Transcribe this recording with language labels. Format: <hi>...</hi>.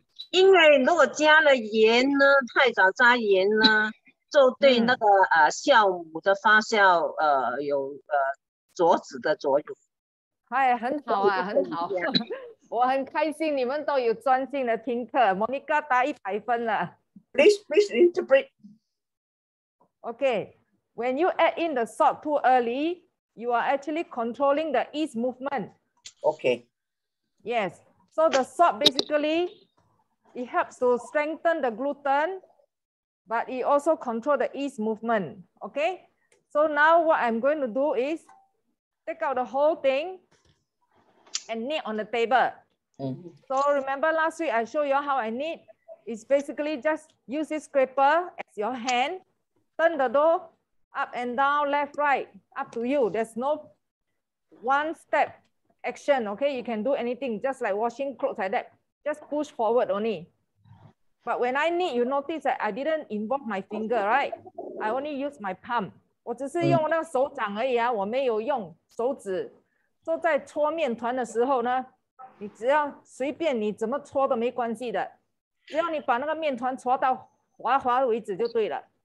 <zh>因为如果加了盐呢，太早加盐呢，就对那个酵母的发酵有阻止的作用。哎，很好啊，很好，我很开心你们都有专心的听课。 Monica 答100分了。</zh> <en>Please interpret. Okay, when you add in the salt too early, you are actually controlling the yeast movement. Okay. Yes. So the salt basically. It helps to strengthen the gluten, but it also controls the yeast movement. Okay, so now what I'm going to do is take out the whole thing and knead on the table. Mm-hmm. So remember last week I showed you how I knead. It's basically just use this scraper as your hand, turn the dough up and down, left, right, up to you. There's no one step action. Okay, you can do anything just like washing clothes like that. Just push forward only. But when I knead, you notice that I didn't involve my finger, right? I only use my palm.</en> <zh>我只是用那个手掌而已啊，我没有用手指。 So 在搓面团的时候呢，你只要随便你怎么搓都没关系的，只要你把那个面团搓到滑滑为止就对了。</zh>